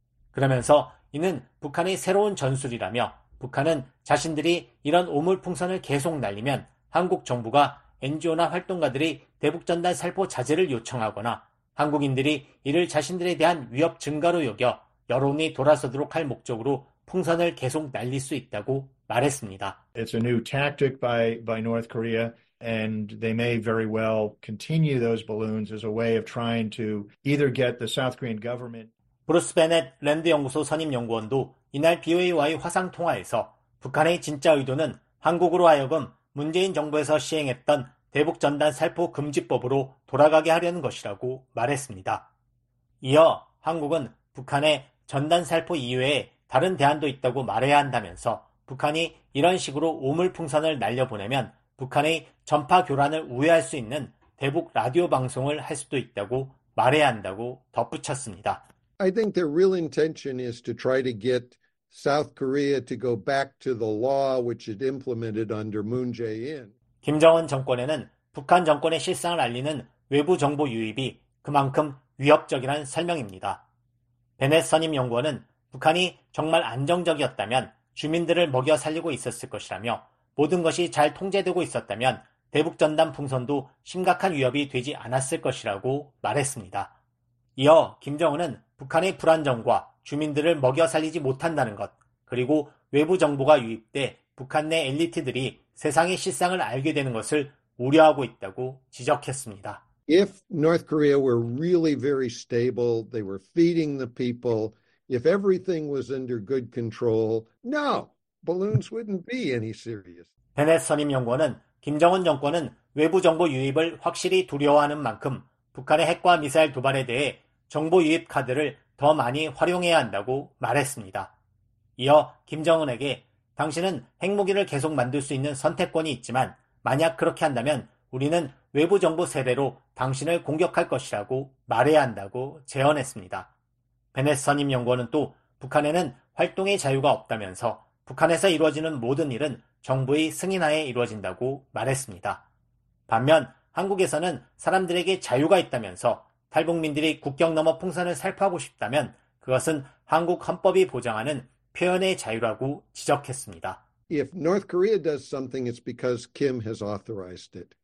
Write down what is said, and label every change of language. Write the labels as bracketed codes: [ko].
[ko] 그러면서 이는 북한의 새로운 전술이라며 북한은 자신들이 이런 오물풍선을 계속 날리면 한국 정부가 NGO나 활동가들이 대북전단 살포 자제를 요청하거나 한국인들이 이를 자신들에 대한 위협 증가로 여겨 여론이 돌아서도록 할 목적으로 풍선을 계속 날릴 수 있다고 말했습니다. [en] It's a new tactic by North Korea and they may very well continue those balloons as a way of trying to either get the South Korean government [ko] 브루스 베넷 랜드 연구소 선임 연구원도 이날 BOA와의 화상 통화에서 북한의 진짜 의도는 한국으로 하여금 문재인 정부에서 시행했던 대북 전단 살포 금지법으로 돌아가게 하려는 것이라고 말했습니다. 이어 한국은 북한의 전단 살포 이외에 다른 대안도 있다고 말해야 한다면서 북한이 이런 식으로 오물풍선을 날려보내면 북한의 전파 교란을 우회할 수 있는 대북 라디오 방송을 할 수도 있다고 말해야 한다고 덧붙였습니다. [en] I think their real intention is to try to get South Korea to go back to the law which it implemented under Moon Jae-in. [ko] 김정은 정권에는 북한 정권의 실상을 알리는 외부 정보 유입이 그만큼 위협적이라는 설명입니다. 베넷 선임 연구원은 북한이 정말 안정적이었다면 주민들을 먹여 살리고 있었을 것이라며 모든 것이 잘 통제되고 있었다면 대북 전단 풍선도 심각한 위협이 되지 않았을 것이라고 말했습니다. 이어 김정은은 북한의 불안정과 주민들을 먹여 살리지 못한다는 것, 그리고 외부 정보가 유입돼 북한 내 엘리트들이 세상의 실상을 알게 되는 것을 우려하고 있다고 지적했습니다. [en] If North Korea were really very stable, they were feeding the people, if everything was under good control, no, balloons wouldn't be any serious. [ko] 벤의 선임 연구원은 김정은 정권은 외부 정보 유입을 확실히 두려워하는 만큼 북한의 핵과 미사일 도발에 대해 정보 유입 카드를 더 많이 활용해야 한다고 말했습니다. 이어 김정은에게 당신은 핵무기를 계속 만들 수 있는 선택권이 있지만 만약 그렇게 한다면 우리는 외부 정보 세대로 당신을 공격할 것이라고 말해야 한다고 제언했습니다. 베네스 선임 연구원은 또 북한에는 활동의 자유가 없다면서 북한에서 이루어지는 모든 일은 정부의 승인하에 이루어진다고 말했습니다. 반면 한국에서는 사람들에게 자유가 있다면서 탈북민들이 국경 넘어 풍선을 살포하고 싶다면 그것은 한국 헌법이 보장하는 표현의 자유라고 지적했습니다. [en] If North Korea does something, it's because Kim has authorized it.